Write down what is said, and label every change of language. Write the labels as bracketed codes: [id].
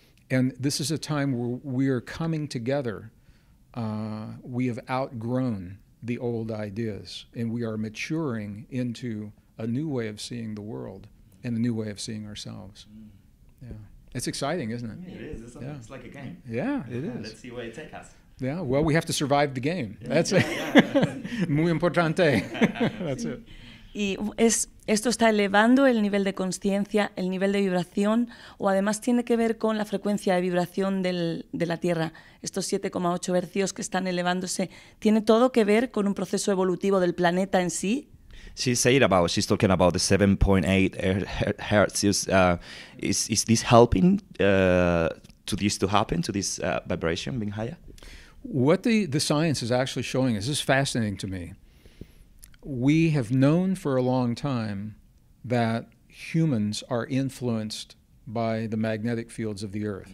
[en] And this is a time where we are coming together. We have outgrown the old ideas, and we are maturing into a new way of seeing the world and a new way of seeing ourselves. Mm. Yeah. It's exciting, isn't it? It is. It's like a game. Yeah, it is. Let's see where it takes us. Yeah, well, we have to survive the game. Yeah. That's it. [es] Muy importante. [en] That's it. [es] Y es, esto está elevando el nivel de consciencia, el nivel de vibración, o además tiene que ver con la frecuencia de vibración de la Tierra. Estos 7,8 hercios que están elevándose, ¿tiene todo que ver con un proceso evolutivo del planeta en sí? [en] She's talking about the 7.8 hertz. Is this helping to this to happen, to this vibration being higher? What the science is actually showing is fascinating to me. We have known for a long time that humans are influenced by the magnetic fields of the Earth.